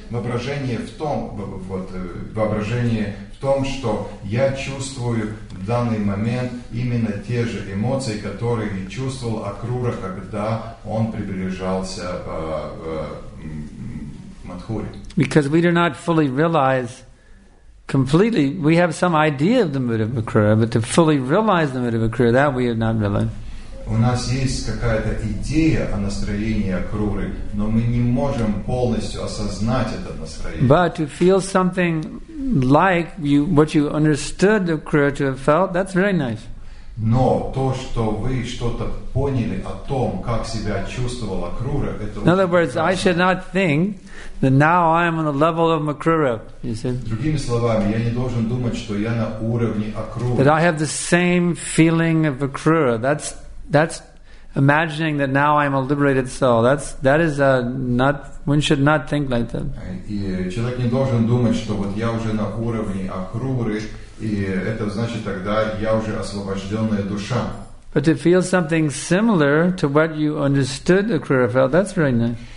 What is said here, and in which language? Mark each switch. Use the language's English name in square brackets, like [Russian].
[Russian] Воображение в том, вот, воображение в том, что я чувствую в данный момент именно те же эмоции, которые я чувствовал Акрура, когда он приближался к Мадхуре. [English] Because we do not fully realize completely, we have some idea of the mood of Akrura, but to fully realize the mood of Akrura, that we have not realized. [Russian] У нас есть какая-то идея о настроении Акруры, но мы не можем полностью осознать это настроение. [English] But to feel something like you, what you understood Akrura to have felt, that's very nice. [Russian] Но то, что вы что-то поняли о том, как себя чувствовал Акрура, это очень важно. [English] In other words, I should not think that now I am on the level of Akrura, you see. [Russian] Другими словами, я не должен думать, что я на уровне Акруры. [English] That I have the same feeling of Akrura, that's imagining that now I'm a liberated soul. That is not. One should not think like that. [Russian] И человек не должен думать, что вот я уже на уровне Акруры, и это значит тогда я уже освобожденная душа. [English] But to feel something similar to what you understood Akrura felt, that's very nice.